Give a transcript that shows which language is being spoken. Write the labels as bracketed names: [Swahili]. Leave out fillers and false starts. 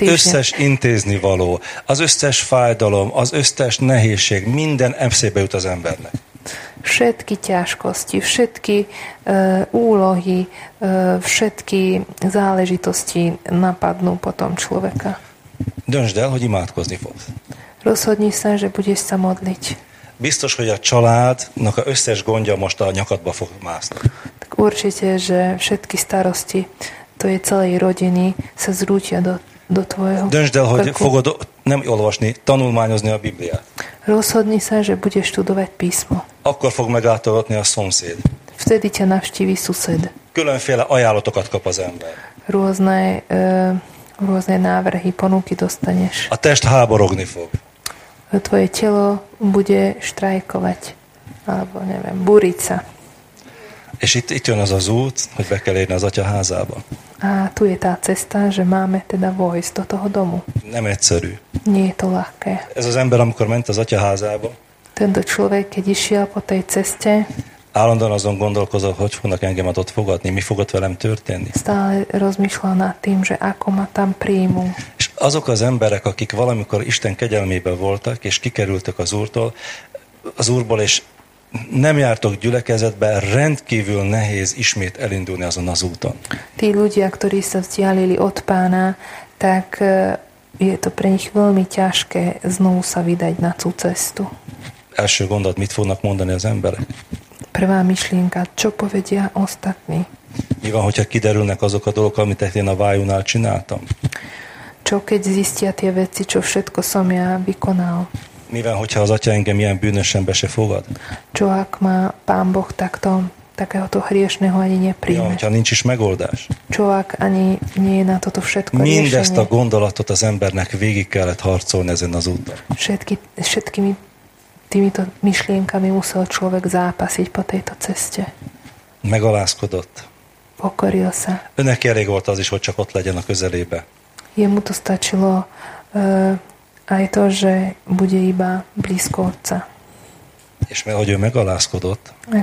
[Slovak] týždňa. [Hungarian] Az összes intézni való, az összes fájdalom, az összes nehézség, minden eszébe jut az embernek. [Slovak] Všetky ťažkosti, všetky úlohy, všetky záležitosti napadnú potom človeka. [Hungarian] Döntsd el, hogy imádkozni fogsz. [Slovak] Rozhodni sa, že budeš sa modliť. [Hungarian] Biztos, hogy a családnak a összes gondja most a nyakadba fog mászni. [Slovak] Tak určite, že všetky starosti to je celej rodiny sa zrútia do tvojho krku. [Hungarian] Döntsd el, hogy fogod nem olvasni, tanulmányozni a Bibliát. [Slovak] Rozhodni sa, že budeš študovať písmo. [Hungarian] Akkor fog meglátogatni a szomszéd. [Slovak] Vtedy ťa navštívi szused. [Hungarian] Különféle ajánlatokat kap az ember. [Slovak] Rôzne návrhy, ponuky dostaneš. [Hungarian] A test háborogni fog. [Slovak] tvoje telo bude štrajkovať, alebo neviem, búriť sa. [Hungarian] És itt jön az az út, hogy be kell érni az atya házába. [Slovak] A tu je tá cesta, že máme teda vojsť do toho domu. [Hungarian] Nem egyszerű. [Slovak] Nie je to ľahké. [Hungarian] Ez az ember, amikor ment az atya házába. [Slovak] Tento človek, keď išiel po tej ceste. [Hungarian] Állandóan azon gondolkozol, hogy fognak engem ott fogadni, mi fogott velem történni. [Slovak] Stále rozmýšľal nad tým, že ako ma tam príjmú. [Hungarian] És azok az emberek, akik valamikor Isten kegyelmében voltak, és kikerültek az úrtól, az úrból, és nem jártok gyülekezetbe, rendkívül nehéz ismét elindulni azon az úton. [Slovak] Tí ľudia, ktorí sa vzdialili od pána, tak je to pre nich veľmi ťažké znovu sa vydať na tú cestu. [Hungarian] Első gondolat, mit fognak mondani az emberek? [Slovak] Prvá myšlienka, čo povedia ostatní? [Hungarian] Mi van, hogyha kiderülnek azok a dolgok, amit én a vájúnál csináltam? [Slovak] Čo keď zistia tie veci, čo všetko som ja vykonal? [Hungarian] Mivel, hogyha az atya engem ilyen bűnösen be se fogad? [Slovak] Čo ak ma pán Boh takto, takéhoto hriešného ani nepríjme? [Hungarian] Mivel, hogyha nincs is megoldás? [Slovak] Čo ak ani nie je na toto všetko riešenie? [Hungarian] Mindezt a gondolatot az embernek végig kellett harcolni ezen az úton. [Slovak] Všetkými týmito myšlienkami musel človek zápasiť po tejto ceste. [Hungarian] Megalázkodott. [Slovak] Pokoril sa. [Hungarian] Önnek elég volt az is, hogy csak ott legyen a közelébe. [Slovak] Jemu to stačilo aj to, že bude iba blízko otca. [Hungarian] És mert hogy ő megalázkodott,